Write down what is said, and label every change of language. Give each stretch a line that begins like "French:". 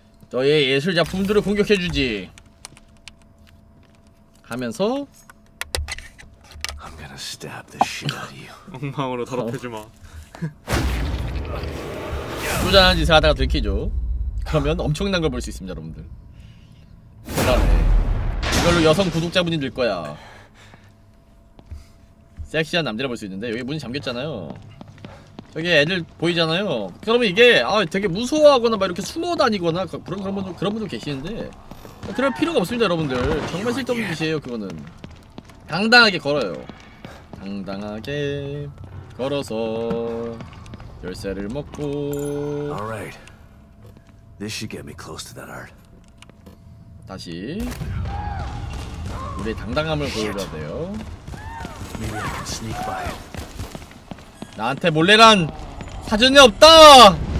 Korean: 너의 예술 작품들을 공격해주지 하면서
English: I'm gonna stab the shit out of you.
Korean: 엉망으로 더럽혀주마. 쪼잔한 짓을 하다가 들키죠. 그러면 엄청난 걸 볼 수 있습니다, 여러분들. 대단해. 이걸로 여성 구독자분이 될 거야. 섹시한 남자를 볼 수 있는데 여기 문이 잠겼잖아요. 저기 애들 보이잖아요. 그러면 이게 아 되게 무서워하거나 막 이렇게 숨어 다니거나 그런 분도 계시는데 그럴 필요가 없습니다, 여러분들. 정말 쓸데없는 짓이에요, 그거는. 당당하게 걸어요. 당당하게 걸어서 열쇠를 먹고.
English: Alright, this should get me close to that art.
Korean: 다시 우리의 당당함을 보여줘야 돼요.
English: Maybe I can sneak by.
Korean: 나한테 몰래란 사전이 없다.